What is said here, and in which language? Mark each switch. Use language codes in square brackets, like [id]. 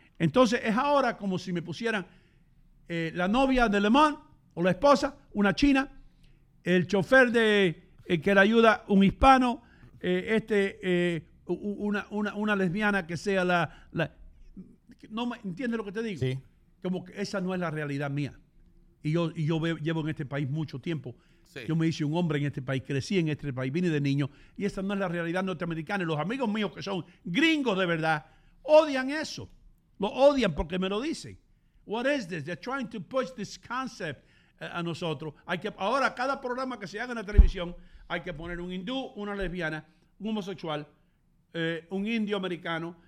[es] Entonces es ahora como si me pusieran la novia de Le Mans o la esposa, una china, el chofer de que le ayuda, un hispano, una lesbiana que sea la no me entiendes lo que te digo. Sí. Como que esa no es la realidad mía. Y yo llevo en este país mucho tiempo. Sí. Yo me hice un hombre en este país, crecí en este país, vine de niño, y esa no es la realidad norteamericana. Y los amigos míos que son gringos de verdad odian eso. Lo odian porque me lo dicen. [en] What is this? They're trying to push this concept [es] a nosotros. Ahora, cada programa que se haga en la televisión, hay que poner un hindú, una lesbiana, un homosexual, un indio americano.